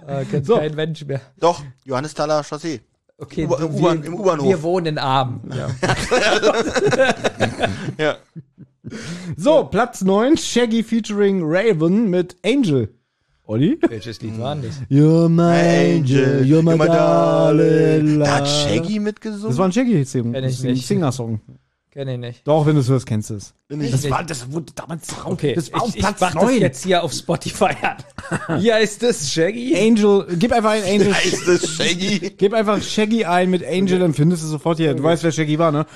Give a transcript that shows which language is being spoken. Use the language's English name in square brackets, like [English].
[German] Kennst so. Kein Mensch mehr. Doch, Johannisthaler Chaussee. Okay, im U-Bahnhof. Wir wohnen in Arm. Ja. So, Platz 9, Shaggy featuring Raven mit Angel. Olli? Welches Lied war das? [English] You're my Angel, you're my darling. [German] Da hat Shaggy mitgesungen? Das war ein Shaggy-Song. Kenn ich nicht. Singer-Song. Kenn ich nicht. Doch, wenn du es hörst, kennst du es. Das wurde damals raus. Okay, das war auf Platz 9. Ich mach das jetzt hier auf Spotify an. Wie heißt das, Shaggy? Angel, gib einfach ein Angel. Wie heißt das, Shaggy? Gib einfach Shaggy ein mit Angel, dann findest du es sofort hier. Du weißt, wer Shaggy war, ne?